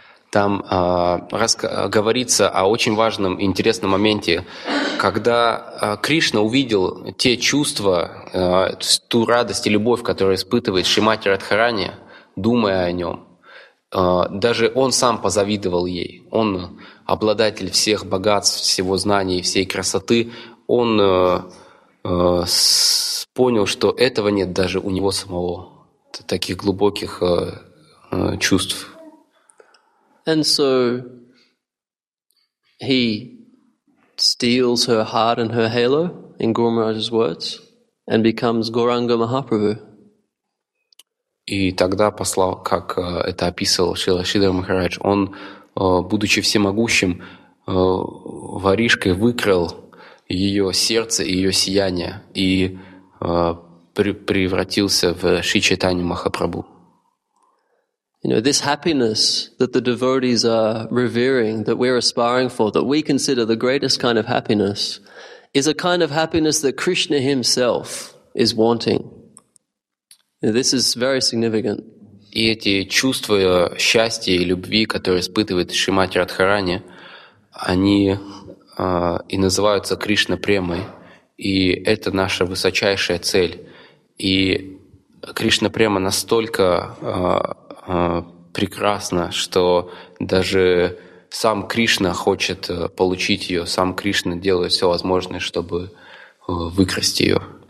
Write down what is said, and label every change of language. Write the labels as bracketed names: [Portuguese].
[Russian] Там говорится о очень важном, интересном моменте, когда Кришна увидел те чувства, ту радость и любовь, которую испытывает Шримати Радхарани, думая о нем, даже он сам позавидовал ей. Он обладатель всех богатств, всего знания, всей красоты. Он понял, что этого нет даже у него самого, таких глубоких чувств. [English] And so he steals her heart and her halo, in Guru Maharaj's words, and becomes Gauranga Mahaprabhu. [Russian] И тогда, послал, как это описывал Шрила Шридхар Махарадж, он, будучи всемогущим, воришкой выкрал ее сердце и ее сияние и превратился в Шри Чайтанью Махапрабху. [English] You know, this happiness that the devotees are revering, that we're aspiring for, that we consider the greatest kind of happiness, is a kind of happiness that Krishna himself is wanting. This is very significant. [Russian] И эти чувства счастья и любви, которые испытывает Шримати Радхарани, они и называются Кришна-премой. И это наша высочайшая цель. И Кришна-према настолько прекрасна, что даже сам Кришна хочет получить ее, сам Кришна делает все возможное, чтобы выкрасть ее.